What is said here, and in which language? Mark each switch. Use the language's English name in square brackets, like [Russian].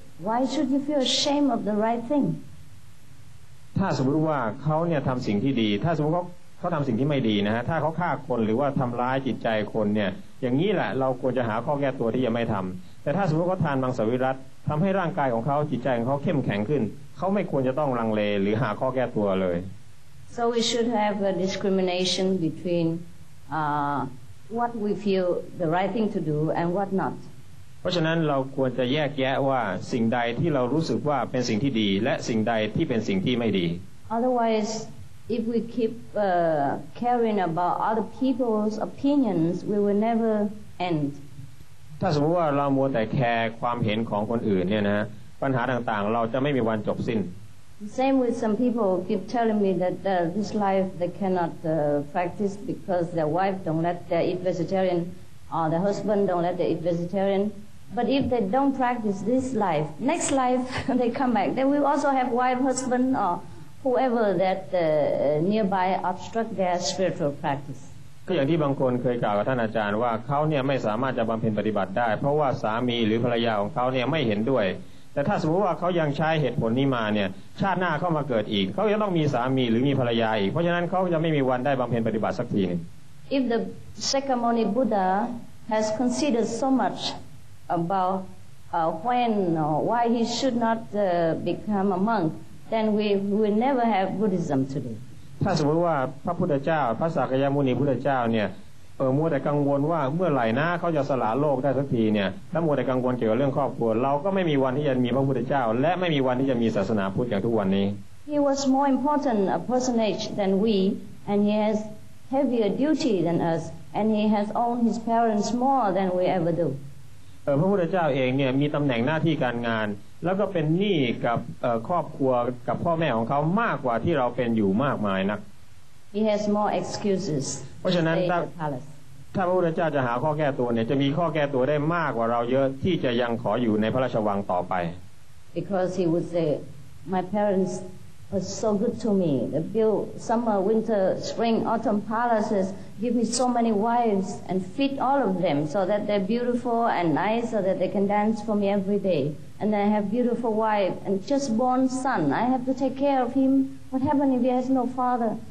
[English] Why should you feel ashamed of the right thing? [Thai] ถ้าสมมติว่าเขาเนี่ยทำสิ่งที่ดีถ้าสมมติเขาทำสิ่งที่ไม่ดีนะฮะถ้าเขาฆ่าคนหรือว่าทำร้ายจิตใจคนเนี่ยอย่างนี้แหละเราควรจะหาข้อแก้ตัวที่จะไม่ทำแต่ถ้าสมมติเขาทานมังสวิรัติทำให้ร่างกายของเขาจิตใจของเขาเข้มแข็งขึ้นเขาไม่ควรจะต้องลังเลหรือหาข้อแก้ตัวเลย [English] So we should have a discrimination betweenwhat we feel the right thing to do and what not [Thai] เพราะฉะนั้นเราควรจะแยกแยะว่าสิ่งใดที่เรารู้สึกว่าเป็นสิ่งที่ดีและสิ่งใดที่เป็นสิ่งที่ไม่ดี [English] Otherwise if we keep caring about other people's opinions we will never end [Thai] ถ้าสมมติว่าเรามัวแต่แคร์ความเห็นของคนอื่นเนี่ยนะปัญหาต่างๆเราจะไม่มีวันจบสิ้น [English] Same with some people keep telling me that this life they cannot practice because their wife don't let them eat vegetarian or their husband don't let them eat vegetarian. But if they don't practice this life, next life they come back, they will also have wife, husband or whoever that nearby obstruct their spiritual practice. [Thai] ก็อย่างที่บางคนเคยกล่าวกับท่านอาจารย์ว่าเขาเนี่ยไม่สามารถจะบำเพ็ญปฏิบัติได้เพราะว่าสามีหรือภรรยาของเขาเนี่ยไม่เห็นด้วยแต่ถ้าสมมติว่าเขายังใช้เหตุผลนี้มาเนี่ยชาติหน้าเข้ามาเกิดอีกเขาจะต้องมีสามีหรือมีภรรยาอีกเพราะฉะนั้นเขาจะไม่มีวันได้บำเพ็ญปฏิบัติสักที [English] If the Shakyamuni Buddha has considered so much about when or why he should not become a monk then we will never have Buddhism today [Thai] ถ้าสมมติว่าพระพุทธเจ้าพระสักยมุนีพุทธเจ้าเนี่ยมัวแต่กังวลว่าเมื่อไหร่นะเขาจะสละโลกได้สักทีเนี่ยถ้ามัวแต่กังวลเกี่ยวกับเรื่องครอบครัวเราก็ไม่มีวันที่จะมีพระพุทธเจ้าและไม่มีวันที่จะมีศาสนาพุทธอย่างทุกวันนี้ [English] He was more important a personage than we and he has heavier duty than us and he has owned his parents more than we ever do [Thai] พระพุทธเจ้าเองเนี่ยมีตำแหน่งหน้าที่การงานแล้วก็เป็นหนี้กับครอบครัวกับพ่อแม่ของเขามากกว่าที่เราเป็นอยู่มากมายนัก [English] He has more excuses. [Thai] เพราะฉะนั้นถ้าพระพุทธเจ้าจะหาข้อแก้ตัวเนี่ยจะมีข้อแก้ตัวได้มากกว่าเราเยอะที่จะยังขออยู่ในพระราชวังต่อไป [English] Because he would say, my parents were so good to me. They built summer, winter, spring, autumn palaces, give me so many wives and feed all of them so that they're beautiful and nice so that they can dance for me every day. And I have beautiful wife and just born son. I have to take care of him. What happened if he has no father?